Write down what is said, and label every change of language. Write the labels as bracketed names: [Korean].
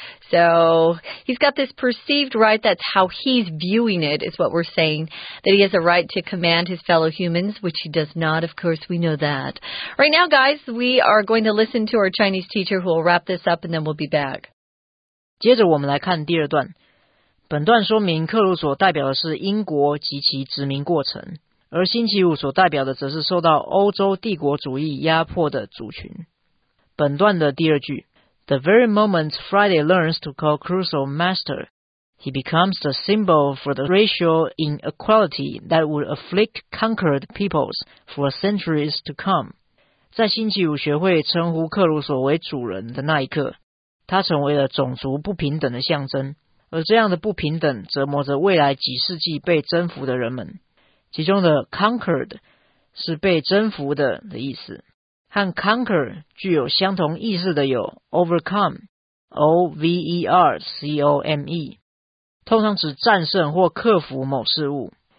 [English] So he's got this perceived right, that's how he's viewing it, is what we're saying, that he has a right to command his fellow humans, which he does not, of course, we know that. Right now, guys, we are going to listen to our Chinese teacher who will wrap this up and then we'll be back. [Chinese] 接着我们来看第二段。本段说明克鲁索代表的是英国及其殖民过程，而星期五所代表的则是受到欧洲帝国主义压迫的族群。本段的第二句， [English] The very moment Friday learns to call Crusoe master, He becomes the symbol for the racial inequality that would afflict conquered peoples for centuries to come. [Chinese] 在星期五学会称呼克鲁索为主人的那一刻，他成为了种族不平等的象征，而这样的不平等折磨着未来几世纪被征服的人们。其中的 conquered 是被征服的的意思，和 conquer 具有相同意思的有 overcome, O-V-E-R-C-O-M-E, 通常指战胜或克服某事物。